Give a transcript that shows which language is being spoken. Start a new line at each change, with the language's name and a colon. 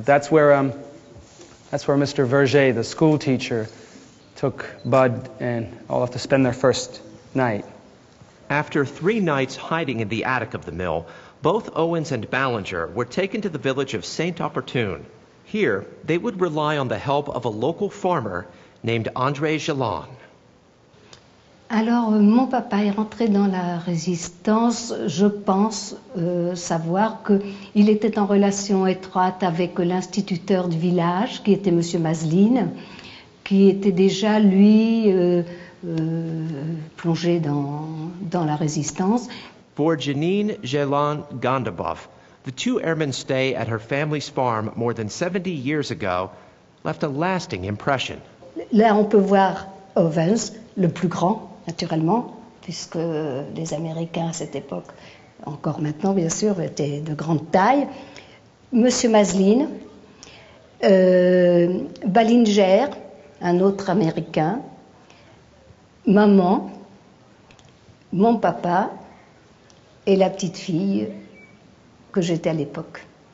English: That's where Mr. Verger, the school teacher, took Bud and Olaf to spend their first night. After three nights hiding in the attic of the mill, both Owens and Ballinger were taken to the village of St. Opportune. Here, they would rely on the help of a local farmer named André Jalon.
French: Alors, mon papa est rentré dans la résistance. Je pense savoir qu'il était en relation étroite avec l'instituteur du village, qui était Monsieur Maseline, qui était déjà, lui, plongé dans la résistance.
English: Pour Janine Jalon-Gandabov, the two airmen's stay at her family's farm more than 70 years ago left a lasting impression.
French: Là, on peut voir Owens, le plus grand, naturellement, puisque les Américains à cette époque, encore maintenant, bien sûr, étaient de grande taille. Monsieur Maseline, Ballinger, un autre Américain, maman, mon papa et la petite fille que j'étais à l'époque.